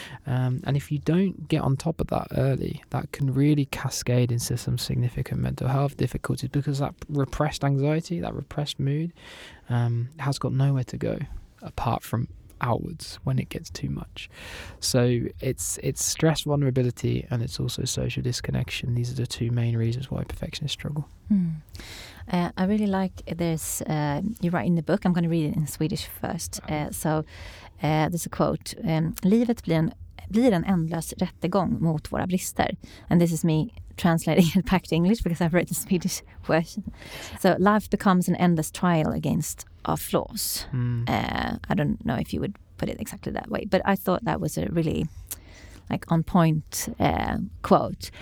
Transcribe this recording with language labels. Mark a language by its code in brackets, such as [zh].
[en] And if you don't get on top of that early, that can really cascade into some significant mental health difficulties, because that repressed anxiety, that repressed mood, has got nowhere to go apart from outwards when it gets too much. So it's stress vulnerability, and it's also social disconnection. These are the two main reasons why perfectionists struggle. I really like this. You write in the book, I'm going to read it in Swedish first. There's a quote. [sv] Livet blir en ändlös rättegång mot våra brister. [en] And this is me translating it back to English because I've written the Swedish version. So life becomes an endless trial against our flaws. I don't know if you would put it exactly that way, but I thought that was a really like on point quote.